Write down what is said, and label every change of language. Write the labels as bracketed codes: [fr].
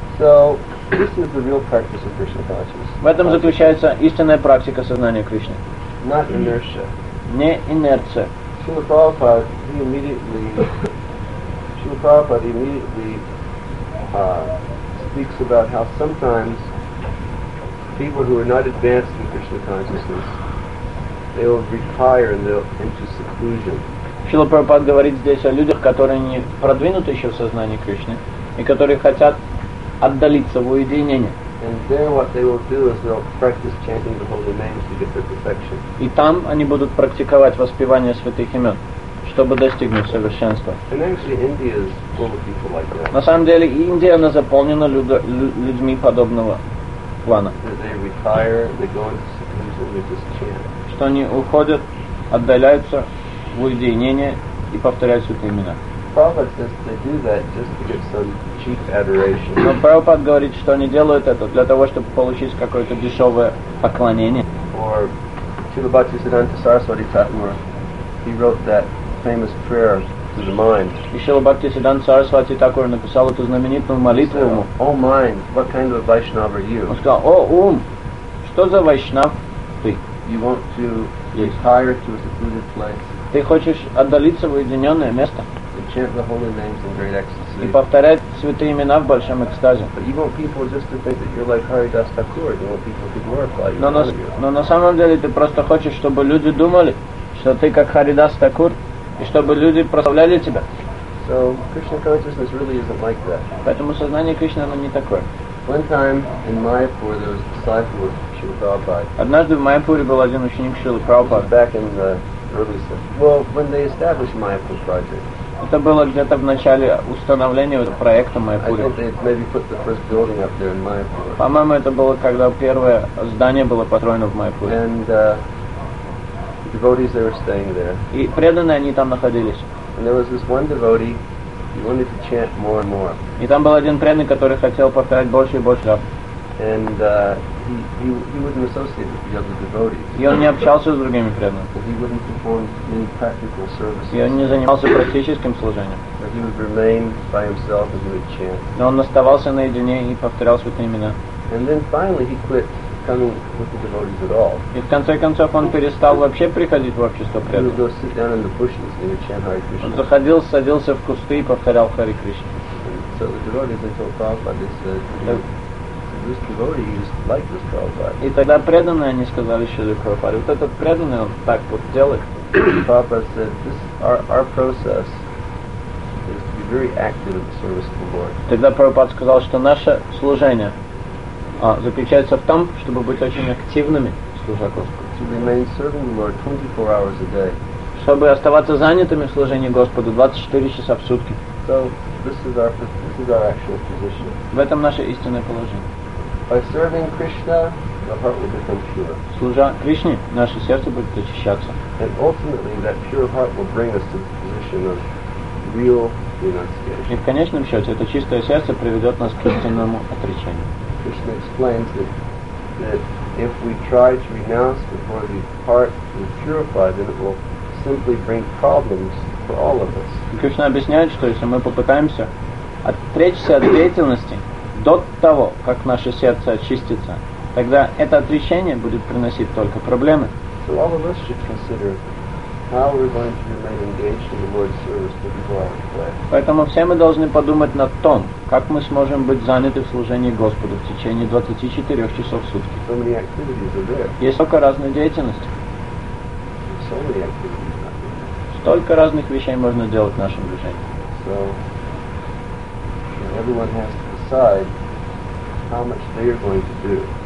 [en] So, this is the real practice of Krishna consciousness. [ru] В этом заключается истинная практика сознания Кришны. [en] Not inertia. [ru] Не инерция. [en] Шрила Прабхупада immediately speaks about how sometimes people who are not advanced in Krishna consciousness they will retire and they'll into seclusion. [ru] Шрила Прабхупада говорит здесь о людях, которые не продвинуты еще в сознании Кришны и которые хотят отдалиться в уединение. [en] And there what they will do is they'll practice chanting the holy names to get their perfection. [ru] И там они будут практиковать воспевание святых имен, чтобы достигнуть совершенства. [en] And actually India is full of people like that. [ru] На самом деле Индия, она заполнена людьми подобного плана. [en] They retire, they go into seclusion, they just chant. [ru] Что они уходят, отдаляются в уединение и повторяют святые имена. Но Прабхупад говорит, что они делают это для того, чтобы получить какое-то дешевое поклонение. [en] Or Śrīla Bhaktisiddhānta Saraswati Thakura, he wrote that famous prayer to the mind. [ru] И Śrīla Bhaktisiddhānta Saraswati Thakura написал эту знаменитую молитву ему. [en] О, mind, what kind of a Vaishnava are you? [ru] Он сказал, о, ум, что за Вайшнав ты? [en] You want to retire to a secluded place. [ru] Ты хочешь отдалиться в уединенное место. [en] And chant the holy names in great ecstasy. [ru] И повторять святые имена в большом экстазе. [en] But you want people just to think that you're like Haridas Thakur. You want people to glorify you. [ru] Но на самом деле ты просто хочешь, чтобы люди думали, что ты как Haridas Thakur, и чтобы люди прославляли тебя. [en] So Krishna consciousness really isn't like that. [ru] Поэтому сознание Кришны оно не такое. [en] One time in Mayapur there was a disciple of Śrīla Prabhupāda. [ru] Однажды в Майяпуре был один ученик Шрилы Прабхупады. [en] Back in the early stage. Well, when they established Mayapur project. [ru] Это было где-то в начале установления проекта Майяпура. [en] I think they maybe put the first building up there in Mayapur. [ru] По-моему, это было когда первое здание было построено в Майяпуре. [en] And the devotees they were staying there. [ru] И преданные они там находились. [en] And there was this one devotee. He wanted to chant more and more. [ru] И там был один преданный, который хотел повторять больше и больше. [en] And he wouldn't associate with the other devotees. [ru] И он не общался с другими преданными. [en] He wouldn't perform any practical services. [ru] И он не занимался практическим служением. [en] But he would remain by himself and he would chant. [ru] Но он оставался наедине и повторял святые имена. [en] And then finally he quit coming with the devotees at all. [ru] И в конце концов он перестал вообще приходить в общество преданных. [en] He would go sit down in the bushes and chant Hare Krishna. [ru] Он заходил, садился в кусты и повторял Хари Кришна. [en] So the devotees they told Prabhupada this. This devotee used to like this Prabhupada. [ru] И тогда преданные они сказали Шриле Прабхупаде, вот этот преданный он так вот делает. [en] Prabhupada said this our process is to be very active in the service of the Lord. [ru] Тогда Прабхупада сказал, что наше служение заключается в том, чтобы быть очень активными служа Господу. [en] To remain serving the Lord 24 hours a day. [ru] Чтобы оставаться занятыми в служении Господу 24 часа в сутки. [en] So this is our actual position. [ru] В этом наше истинное положение. [en] By serving Krishna, the heart will become pure. [ru] Служа Кришне, наше сердце будет очищаться. [en] And ultimately, that pure heart will bring us to the position of real renunciation. [ru] И в конечном счете, это чистое сердце приведет нас к истинному отречению. [en] Krishna explains that if we try to renounce before we depart to purify, then it will simply bring problems for all of us. [ru] Krishna объясняет, что если мы попытаемся отречься от деятельности до того, как наше сердце очистится, тогда это отречение будет приносить только проблемы. [en] So all of us should consider how we're going to remain engaged in the Lord's service to people out of play. [ru] Поэтому все мы должны подумать над том, как мы сможем быть заняты в служении Господу в течение 24 часов в сутки. [en] So many activities are there. [ru] Есть столько разной деятельности. [en] So many activities are there. [ru] Столько разных вещей можно делать в нашем движении. [en] So, everyone has to decide how much they are going to do.